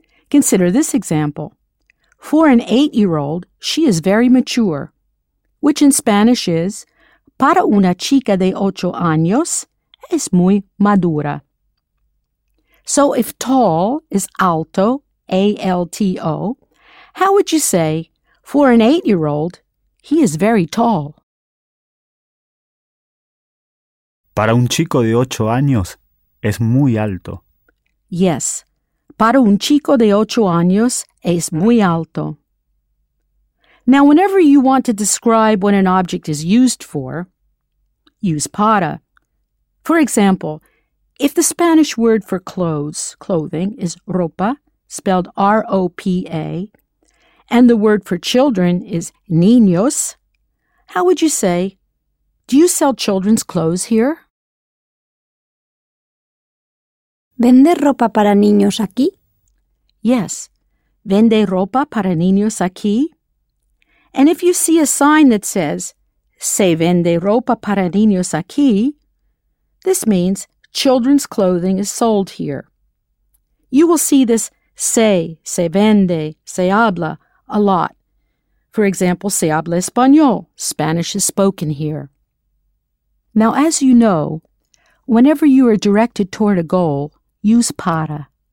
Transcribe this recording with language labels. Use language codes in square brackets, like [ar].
[en] Consider this example. For an 8-year-old, she is very mature, which in Spanish is, [es] para una chica de 8 años, es muy madura. [en] So if tall is alto, A-L-T-O, how would you say, for an 8-year-old, he is very tall? [es] Para un chico de 8 años, es muy alto. [en] Yes. [es] Para un chico de 8 años, es muy alto. [en] Now, whenever you want to describe what an object is used for, use para. For example, if the Spanish word for clothing, is ropa, spelled R-O-P-A, and the word for children is niños, how would you say, do you sell children's clothes here? [es] ¿Vende ropa para niños aquí? [en] Yes. [es] ¿Vende ropa para niños aquí? [en] And if you see a sign that says, [es] se vende ropa para niños aquí, [en] this means children's clothing is sold here. You will see this [es] se vende, se habla [en] a lot. For example, [es] se habla español. [en] Spanish is spoken here. Now, as you know, whenever you are directed toward a goal, use para.